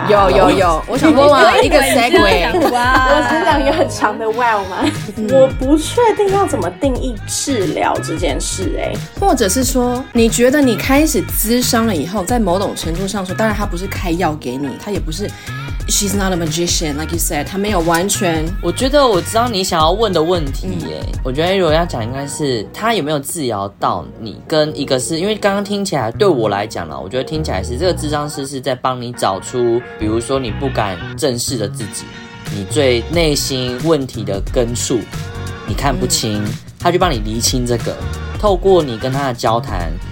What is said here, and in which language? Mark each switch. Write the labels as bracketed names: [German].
[Chinese] 有有有，我想说哇，一个 segue，我是讲一个很长的 wow 吗？我不确定要怎么定义治疗这件事、欸、或者是说，你觉得你开始咨商了以后，在某种程度上说，当然他不是开药给你，他也不是。 [English] She's not a magician, like you said. [Chinese] 她没有完全。我觉得我知道你想要问的问题耶、欸嗯。我觉得如果要讲，应该是她有没有治疗到你，跟一个是因为刚刚听起来对我来讲呢，我觉得听起来是这个咨商师是在帮你找出，比如说你不敢正视的自己，你最内心问题的根处，你看不清，她、嗯、去帮你厘清这个，透过你跟她的交谈。